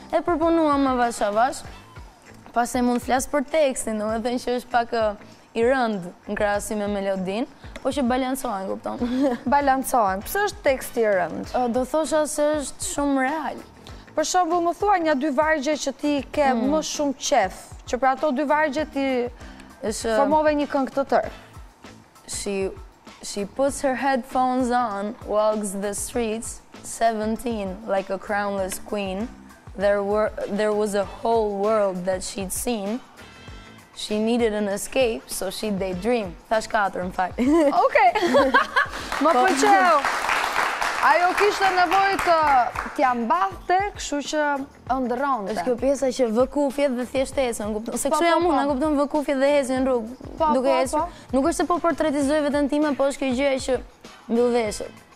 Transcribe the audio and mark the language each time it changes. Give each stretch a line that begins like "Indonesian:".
Albanian: E përpunuam më vash avash. Pas e mund të flas për tekstin, domethënë që është pak i rënd në krahasim me melodin, po që balancohen, kupton? Balancohen. Pse është teksti i rënd? Do thosha se është shumë real. Për shembull, më thua një dy vargje që ti ke më shumë qef, që për ato dy vargje ti është formove një këngë të tërë.
English: She puts her headphones on, walks the streets 17 like a crownless queen. There was a whole world that she'd seen. She needed an escape, so she daydreamed.
Albanian: Thash katër, në fakt. Okej. Më pëlqeu. Ajo kishte nevojë të t'ia mbathte, kështu që ëndronte. Është kjo pjesa që vë kufje dhe thjesht ecën, kupton? Se kjo jam unë, kupton, vë kufje dhe ecën në rrugë. Po, duke ecur. Nuk është se po portretizoj veten time, po është kjo gjë që mbyll veshët.